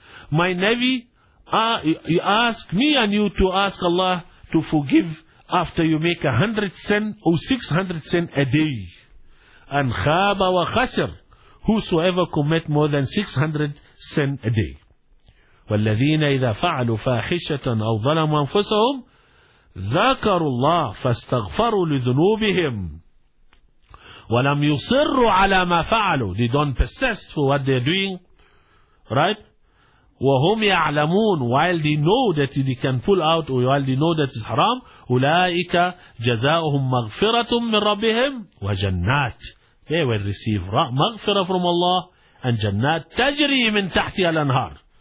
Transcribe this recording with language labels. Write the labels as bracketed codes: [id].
[en] My Nabi asked me and you to ask Allah to forgive after you make 100 sin or 600 sin a day. And [ar] khaba wa khasir, [en] whosoever commit more than 600 sin a day. [ar] والذين إذا فعلوا فاحشة أو ظلموا أنفسهم ذكروا الله فاستغفروا لذنوبهم ولم يصروا على ما فعلوا. [en] They don't persist for what they're doing, right? [ar] وهم يعلمون, [en] while they know that they can pull out, or while they know that it's haram, [ar] أولئك جزاؤهم مغفرة من ربهم وجنات. [en] They will receive مغفرة from Allah and [ar] جنات تجري من تحتها الأنهار.